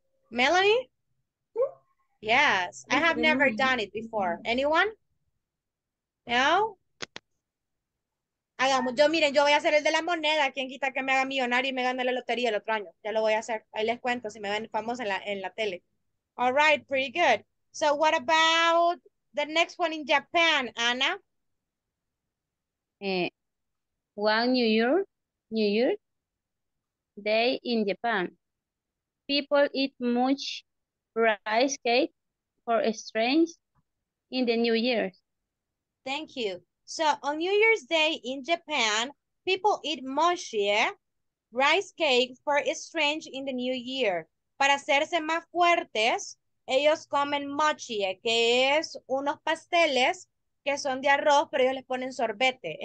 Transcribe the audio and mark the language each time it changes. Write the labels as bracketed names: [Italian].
[English] Melanie? Yes, I have never done it before. Anyone? No? [Spanish] Hagamos, yo miren, yo voy a hacer el de la moneda, quien quita que me haga millonario y me gane la lotería el otro año. Ya lo voy a hacer, ahí les cuento si me ven famosa en la tele. [English] All right, pretty good. So what about the next one in Japan, Ana? New Year, day in Japan. People eat much rice cake for strange in the New Year. Thank you. So, on New Year's Day in Japan, people eat moshi, rice cake, for strange in the new year. [Spanish] Para hacerse más fuertes, ellos comen mochi, que es unos pasteles que son de arroz, pero ellos les ponen sorbete.